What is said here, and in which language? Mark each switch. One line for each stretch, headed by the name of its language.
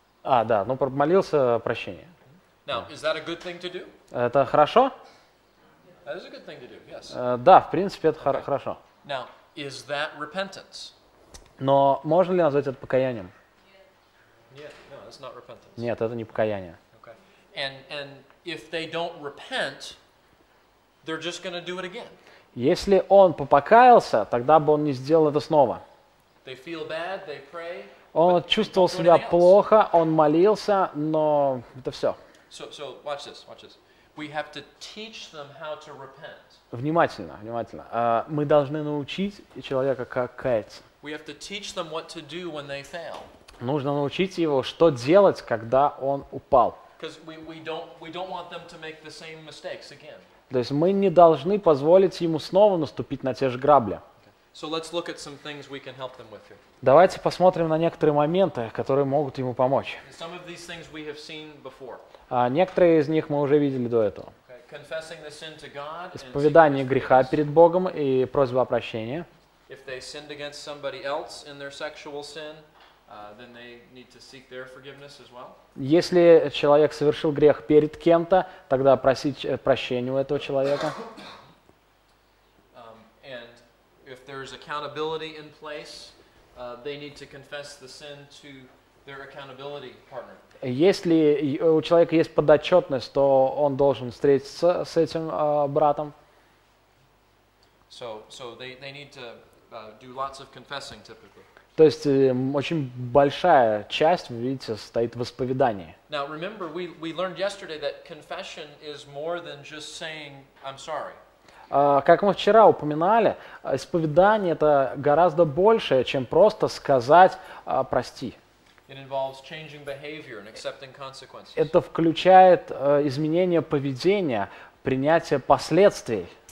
Russian: А, да, ну молился прощение.
English: Now, is that a good thing to do?
Russian: Это хорошо?
English: That is a good thing to do, yes.
Russian: Да, в принципе, это хорошо.
English: Now, is that repentance?
Russian: Но можно ли назвать это покаянием?
English: Yeah, no, that's not repentance.
Russian: Нет, это не покаяние.
English: Okay. And if they don't repent, they're just going to do it again.
Russian: Если он покаялся, тогда бы он не сделал это снова.
English: They feel bad, they pray.
Russian: Он чувствовал себя плохо, он молился, но это все.
English: So watch this. We have to teach them how to repent.
Russian: Внимательно. Мы должны научить человека, как каяться.
English: We have to teach them what to do when they fail.
Russian: Нужно научить его, что делать, когда он упал.
English: Because we don't want them to make the same mistakes again.
Russian: То есть мы не должны позволить ему снова наступить на те же грабли.
English: So let's look at some things we can help them with here.
Russian: Давайте посмотрим на некоторые моменты, которые могут ему помочь.
English: Some of these things we have seen before.
Russian: Некоторые из них мы уже видели до этого.
English: Confessing the sin to God.
Russian: Исповедание греха перед Богом и просьба о прощении.
English: If they sinned against somebody else in their sexual sin, then they need to seek their forgiveness as well.
Russian: Если человек совершил грех перед кем-то, тогда просить прощения у этого человека.
English: And if there is accountability in place, they need to confess the sin to their accountability partner.
Russian: Если у человека есть подотчетность, то он должен встретиться с этим братом.
English: So they need to do lots of confessing typically.
Russian: То То есть очень большая часть, вы видите, состоит в исповедании.
English: Now remember, we learned yesterday that confession is more than just saying I'm sorry.
Russian: Как мы вчера упоминали, исповедание — это гораздо большее, чем просто сказать прости.
English: It involves changing behavior and accepting consequences.
Russian: Это включает изменение поведения, принятие последствий.